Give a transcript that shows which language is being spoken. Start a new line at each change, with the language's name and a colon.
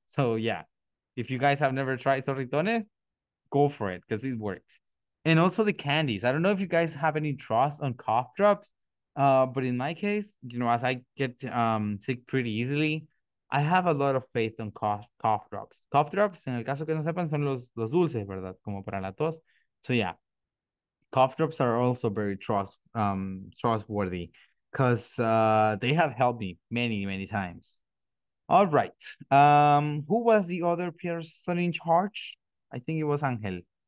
English: So yeah, if you guys have never tried Torritone, go for it because it works. And also the candies. I don't know if you guys have any trust on cough drops, but in my case, you know, as I get sick pretty easily, I have a lot of faith on cough drops.
Spanish: Cough drops, en el caso que no sepan, son los dulces, ¿verdad? Como para la tos.
English: So yeah, cough drops are also very trustworthy because they have helped me many, many times. All right. Who was the other person in charge? I think it was Angel.